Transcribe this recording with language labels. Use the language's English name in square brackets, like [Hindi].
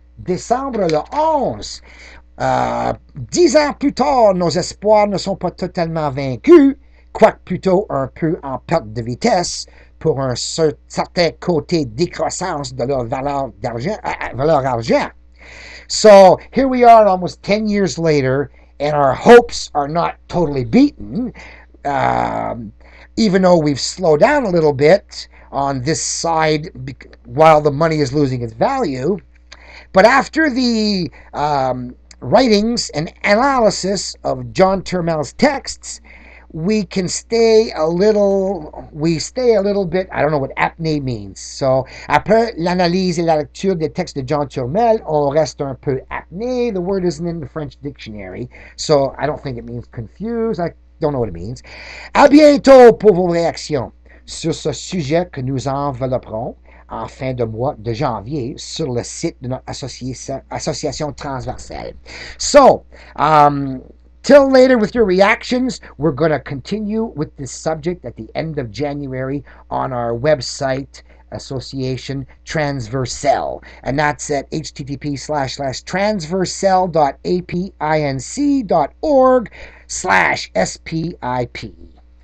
[French] 10 ans plus tard, nos espoirs ne sont pas totalement vaincus, quoique plutôt un peu en perte de vitesse pour un certain côté décroissance de leur valeur argent. [English] So here we are almost 10 years later, and our hopes are not totally beaten, even though we've slowed down a little bit on this side while the money is losing its value. But after the writings and analysis of John Turmel's texts, we stay a little bit, I don't know what apnée means. [French] So après l'analyse et la lecture des textes de John Turmel, on reste un peu apnée. [English] The word isn't in the French dictionary, so I don't think it means confused. I don't know what it means. [French] À bientôt pour vos réactions sur ce sujet que nous envelopperons en fin de mois de janvier sur le site de notre association transversale. [English] So, till later with your reactions. We're going to continue with this subject at the end of January on our website, Association Transversale. And that's at http://transversale.apinc.org/SPIP.